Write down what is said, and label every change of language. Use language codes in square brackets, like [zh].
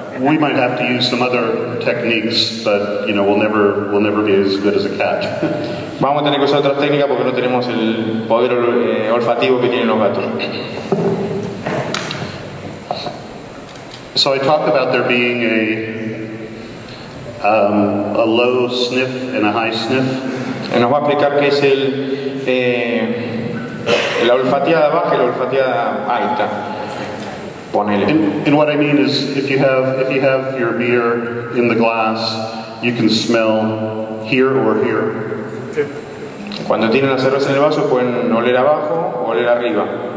[en] We might have to use some other techniques, but you know, we'll never be as good as a cat. [es] Vamos a tener que usar otras técnicas porque no tenemos el poder olfativo que tienen los gatos. [en] So I talk about there being a low sniff and a high sniff. [es] Y nos va a explicar qué es la olfateada baja y la olfateada alta. [en] And what I mean is, if you have your beer in the glass, you can smell here or here. [es] Cuando tienen la cerveza en el vaso, pueden oler abajo o oler arriba.